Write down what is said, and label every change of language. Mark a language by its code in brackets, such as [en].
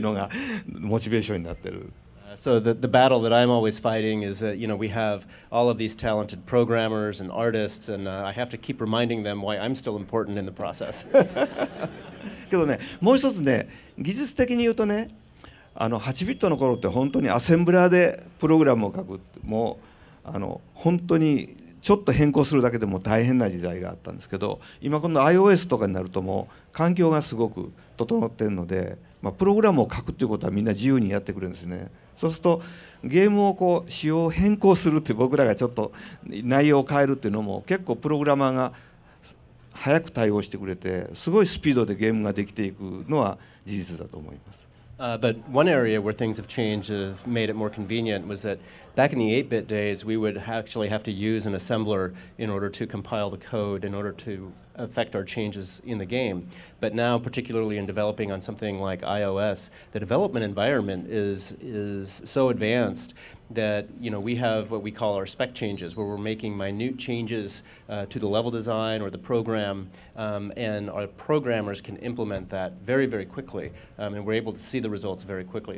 [ja] それでも俺が必要だろうっていうところをちゃんとこう見せ続けるっていうのがモチベーションになってる。 [en] So the battle that I'm always fighting is that, you know, we have all of these talented programmers and artists, and I have to keep reminding them why I'm still important in the process. [ja] けどね、もう一つね、技術的に言うとね、あの8ビットの頃って本当にアセンブラーでプログラムを書く、もうあの本当に ちょっと変更するだけでも大変な時代があったんですけど、今この iOSとかになるともう環境がすごく整ってるので、まあ、プログラムを書くっていうことはみんな自由にやってくれるんですね。そうすると、ゲームをこう仕様変更するって僕らがちょっと内容を変えるっていうのも結構プログラマーが早く対応してくれて、すごいスピードでゲームができていくのは事実だと思います。 [en] But one area where things have changed and made it more convenient was that back in the 8-bit days, we would actually have to use an assembler in order to compile the code, in order to affect our changes in the game. But now, particularly in developing on something like iOS, the development environment is so advanced that, you know, we have what we call our spec changes, where we're making minute changes to the level design or the program, and our programmers can implement that very, very quickly, and we're able to see the results very quickly.